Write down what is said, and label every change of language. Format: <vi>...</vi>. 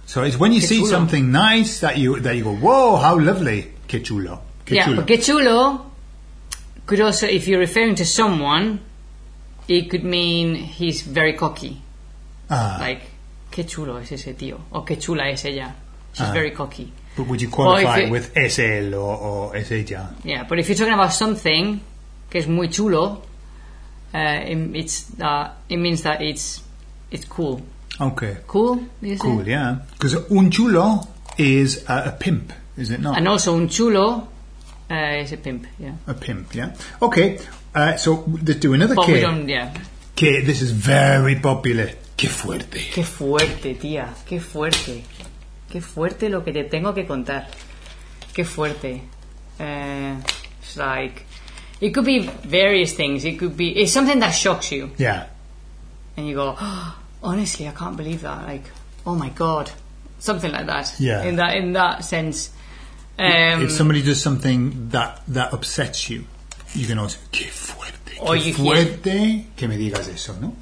<en>So it's when you see something nice that you go, whoa, how lovely,</en> <es>qué chulo.</es> <en>Yeah, but</en> <es>qué chulo</es> <en>could also, if you're referring to someone, it could mean he's very cocky.</en> <es>Like, qué chulo es ese tío, o qué chula es ella.</es> <en>She's very cocky. But would you qualify with</en> <es>es él</es> <en>or</en> <es>es ella?</es> <en>Yeah, but if you're talking about something</en> <es>que es muy chulo,</es> <en>it means that it's cool. Okay. Cool, is cool, it? Yeah. Because</en> <es>un chulo</es> <en>is a pimp, is it not? And also</en> <es>un chulo</es> <en>is a pimp, yeah. A pimp, yeah. Okay, so let's do another que. Yeah. Que, this is very popular.</en> <es>Qué fuerte. Qué fuerte, tía. Qué fuerte. Qué fuerte lo que te tengo que contar. Qué fuerte.</es> <en>It's like, it could be various things. It could be, it's something that shocks you. Yeah. And you go, oh, honestly, I can't believe that. Like, oh my God. Something like that. Yeah. In that sense. If somebody does something that upsets you, you can also,</en> <es>qué fuerte,</es> <en>or qué you fuerte hear,</en> <es>que me digas eso, no?</es>